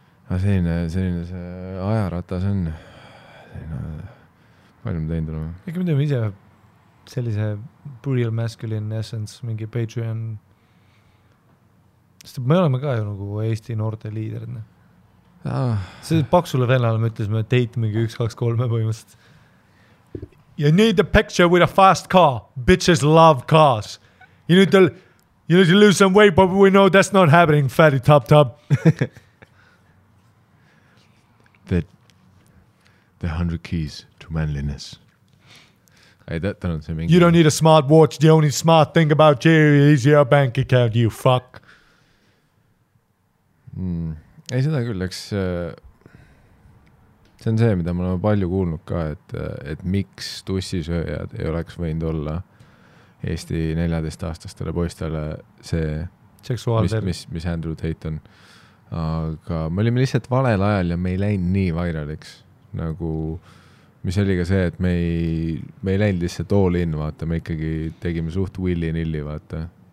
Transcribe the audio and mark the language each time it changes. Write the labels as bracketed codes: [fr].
[et] aga selline see ajaratas on , selline , palju me teinud oleme ? ikka me teeme ise sellise [en] real masculine essence [et] , mingi Patreon . sest me oleme ka ju nagu Eesti noorte liider , onju . see paksule vennale me ütlesime , et date mingi 1, 2, 3 põhimõtteliselt . [en] You need a picture with a fast car , bitches love cars . You need to , you need to lose some weight , but we know that's not happening , fatty top top The 100 keys to manliness . [et] ei , ta on see mingi . [en] You don't need a smart watch , the only smart thing about you is your bank account , you fuck . [et] ei , seda küll , eks see on see , mida me oleme palju kuulnud ka , et miks tussisööjad ei oleks võinud olla Eesti 14-aastastele poistele see seksuaalselt , mis Andrew Tate on . aga me olime lihtsalt valel ajal ja me ei läinud nii viraliks , nagu mis oli ka see , et me ei läinud lihtsalt all in , vaata , me ikkagi tegime suht willy-nilly , vaata .